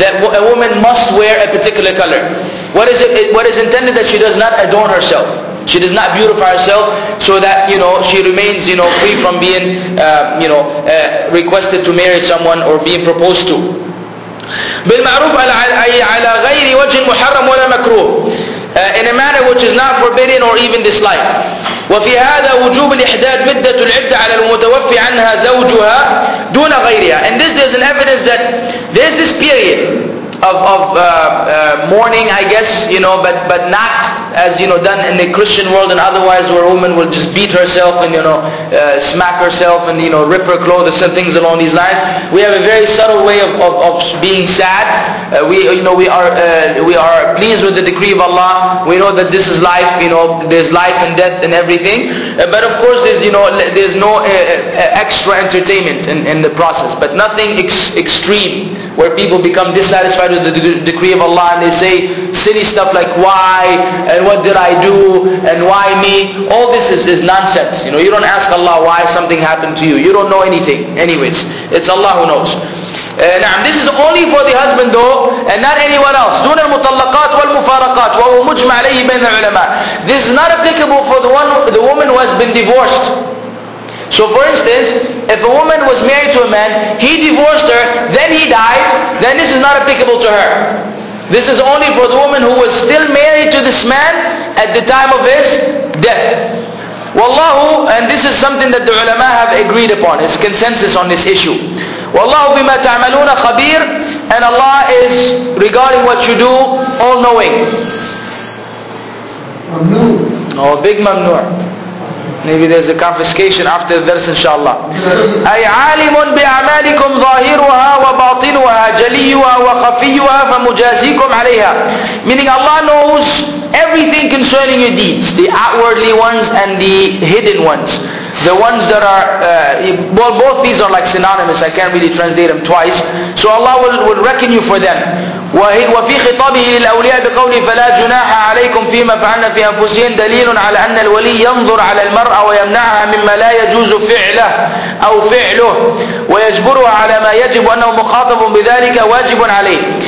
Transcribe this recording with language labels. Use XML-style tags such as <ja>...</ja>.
<en>That a woman must wear a particular color. What is it? What is intended that she does not adorn herself. She does not beautify herself so that, she remains, free from being, requested to marry someone or being proposed to.</en> <ar>بالمعروف على غير وجه محرم ولا مكروه.</ar> <en>In a manner which is not forbidden or even disliked.</en> <ar>وفي هذا وجوب الإحداد مدة العدة على المتوفي عنها زوجها دون غيرها.</ar> <en>And this is an evidence that there's this period of mourning, I guess, but not as done in the Christian world and otherwise, where a woman will just beat herself and smack herself and rip her clothes and things along these lines. We have a very subtle way of being sad. We are pleased with the decree of Allah. We know that this is life. There's life and death and everything. But of course, there's no extra entertainment in the process. But nothing extreme where people become dissatisfied with the decree of Allah and they say silly stuff like why and what did I do and why me. All this is nonsense. You don't ask Allah why something happened to you. You don't know anything. Anyways, it's Allah who knows. نعم, this is only for the husband though and not anyone else.</en> <ar>دون المطلقات والمفارقات وهو مجمع عليه بين العلماء.</ar> <en>This is not applicable for the woman who has been divorced. So for instance, if a woman was married to a man, he divorced her, then he died, then this is not applicable to her. This is only for the woman who was still married to this man at the time of his death. Wallahu, and this is something that the ulama have agreed upon, it's consensus on this issue. Wallahu bima ta'amaluna khabir, and Allah is regarding what you do, all-knowing. Mamnoor. Oh, big mamnoor. Maybe there's a confiscation after the verse, inshallah.</en> <ar>أي عالم بأعمالكم ظاهرها وباطنها جليها وخفيها فمجازيكم عليها.</ar> <en>Meaning Allah knows everything concerning your deeds, the outwardly ones and the hidden ones. The ones that are, both these are like synonymous, I can't really translate them twice. So Allah will reckon you for them.</en> <ar>وفي خطابه للأولياء بقوله فلا جناح عليكم فيما فعلنا في أنفسهم دليل على أن الولي ينظر على المرأة ويمنعها مما لا يجوز فعله أو فعله ويجبرها على ما يجب وأنه مخاطب بذلك واجب عليه.</ar>